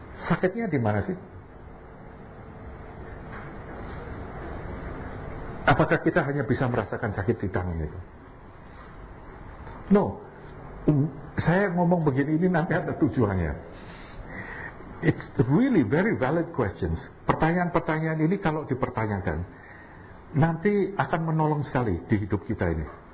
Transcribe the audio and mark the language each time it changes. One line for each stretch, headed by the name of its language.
Indonesian: Sakitnya di mana sih? Apakah kita hanya bisa merasakan sakit di tangan itu? No. Saya ngomong begini ini nanti ada tujuannya.
English: It's really very valid questions.
Indonesian: Pertanyaan-pertanyaan ini kalau dipertanyakan nanti akan menolong sekali di hidup kita ini.